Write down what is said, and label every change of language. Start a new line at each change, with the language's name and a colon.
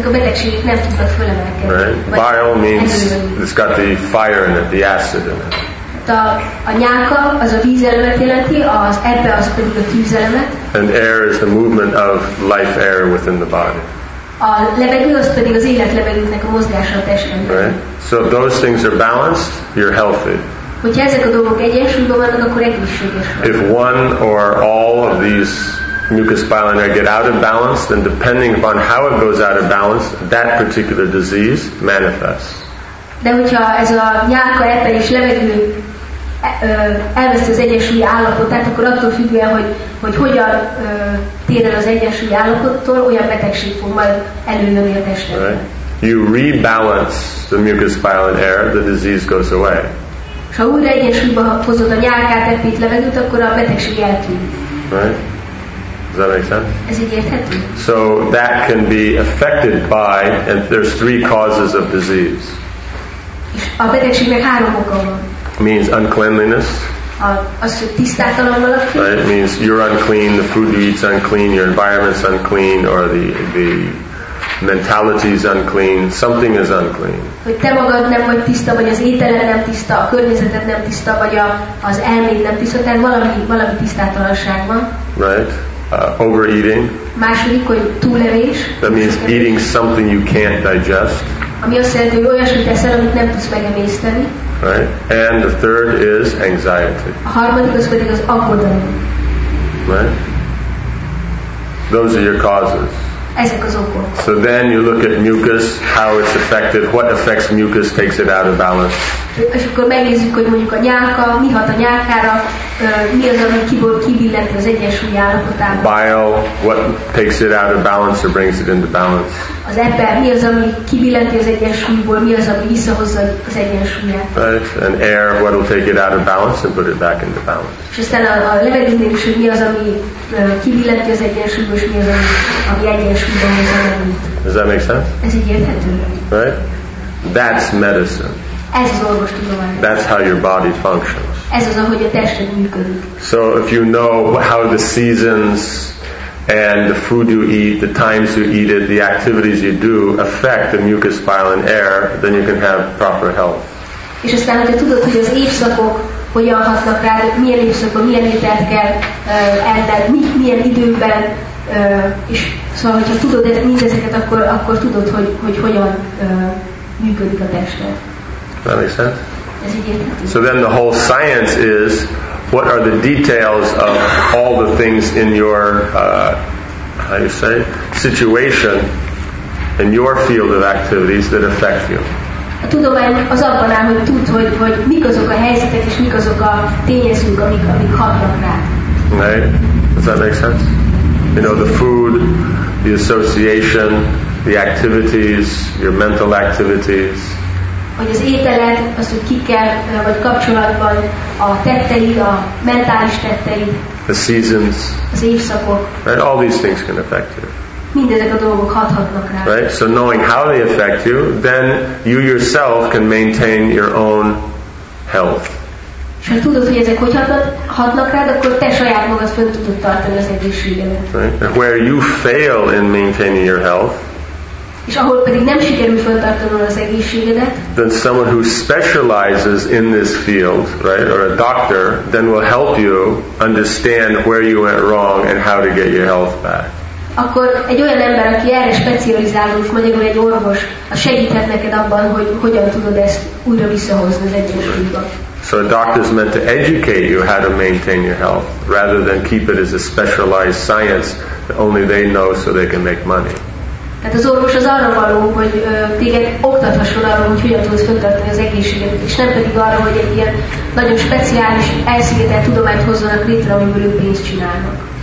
English: Right. Bile means it's got the fire in it, the acid in it.
Hungarian: A nyálka az a vízelemet jelenti, az ebbe az pedig a tűzelemet.
English: And air is the movement of life air within the body.
Hungarian: A levegő az pedig az élet levegőnek a mozgása a testemben.
English: Right. So if those things are balanced, you're healthy.
Hungarian: Hogyha ezek a dolgok egyensúlyban vannak, akkor egészséges vagy.
English: If one or all of these mucus, bile and air get out of balance, then depending upon how it goes out of balance, that particular disease manifests.
Hungarian: De hogyha ez a nyálka, epe és levegő elveszi az egyensúlyi állapotát, akkor attól függően, hogy hogyan tér el az egyensúlyi állapottól, olyan betegség fog majd előjönni a testedben.
English: Right. You rebalance the mucus, bile and air, the disease goes away.
Hungarian: És ha újra egyensúlyba hozod a nyálkát, epét, levegőt, akkor a betegség eltűnik.
English: Right. Does that make sense?
Hungarian: Ez így érthető?
English: So that can be affected by, and there's 3 causes of disease.
Hungarian: És a betegségnek 3 oka van.
English: Means uncleanliness. Right? It means you're unclean, the food you eat's unclean, your environment's unclean, or the mentality's unclean. Something is unclean.
Hungarian: Hogy te magad nem vagy tiszta, vagy az ételed nem tiszta, a környezeted nem tiszta, vagy az elméd nem tiszta, tehát valami tisztátalanság van.
English: Right. Overeating.
Hungarian: Második, hogy túlevés.
English: That means eating something you can't digest.
Hungarian: Ami azt jelenti, hogy olyasmit eszel, amit nem tudsz megemészteni.
English: Right. And the third is anxiety.
Hungarian: A harmadik az pedig az aggodalom.
English: Right. Those are your causes.
Hungarian: Ezek az okok.
English: So then you look at mucus, how it's affected, what affects mucus, takes it out of balance.
Hungarian: És akkor megnézzük, hogy mondjuk a nyálka, mi hat a nyálkára, mi az, ami kibillent az egyensúly állapotában.
English: Bile, what takes it out of balance or brings it into balance.
Hungarian: Az ebbe, mi az, ami kibillenti az egyensúlyból, mi az, ami visszahozza az egyensúlyát.
English: Right. And air, what will take it out of balance and put it back into balance.
Hungarian: És aztán a levegőnél is, hogy mi az, ami kibillenti az egyensúlyból, és mi az, ami egyensúlyban hozza megint.
English: Does that make sense?
Hungarian: Ez így érthető.
English: Right? That's medicine.
Hungarian: Ez az orvostudomány.
English: That's how your body functions.
Hungarian: Ez az, ahogy a tested működik.
English: So if you know how the seasons and the food you eat, the times you eat it, the activities you do affect the mucus, bile and air, then you can have proper health.
Hungarian: És aztán, hogyha tudod, hogy az évszakok hogyan hatnak rá, milyen évszakban, milyen ételt kell enned, milyen időben, és szóval, hogyha tudod mindezeket, akkor tudod, hogy hogyan működik a tested.
English: That makes sense. So then the whole science is, what are the details of all the things in your, how you say, situation, in your field of activities that affect you.
Hungarian: A tudomány az abban áll, hogy tud, hogy mik azok a helyzetek, és mik azok a tényezők, amik hatnak rád.
English: Right? Does that make sense? You know, the food, the association, the activities, your mental activities.
Hungarian: Hogy az ételed, az, hogy ki kell, vagy kapcsolatban a tetteid, a mentális tetteid.
English: The seasons.
Hungarian: Az évszakok.
English: Right? All these things can affect you.
Hungarian: mindezek a dolgok hathatnak rá.
English: Right? So knowing how they affect you, then you yourself can maintain your own health.
Hungarian: És ha tudod, hogy ezek hogy hatnak rád, akkor te saját magad fönn tudod tartani az egészségedet.
English: Right? Where you fail in maintaining your health,
Hungarian: és ahol pedig nem sikerül fönntartanod az egészségedet,
English: then someone who specializes in this field, right, or a doctor, then will help you understand where you went wrong and how to get your health back.
Hungarian: Akkor egy olyan ember, aki erre specializálódik, mondjuk egy orvos, az segíthet neked abban, hogy hogyan tudod ezt újra visszahozni az egészségedbe.
English: So a doctor is meant to educate you how to maintain your health, rather than keep it as a specialized science that only they know so they can make money.
Hungarian: Tehát az orvos az arra való, hogy téged oktathasson arra, hogy hogyan tudsz fenntartani az egészségedet, és nem pedig arra, hogy egy ilyen nagyon speciális, elszigetelt tudományt hozzanak létre, amiből ők pénzt csinálnak.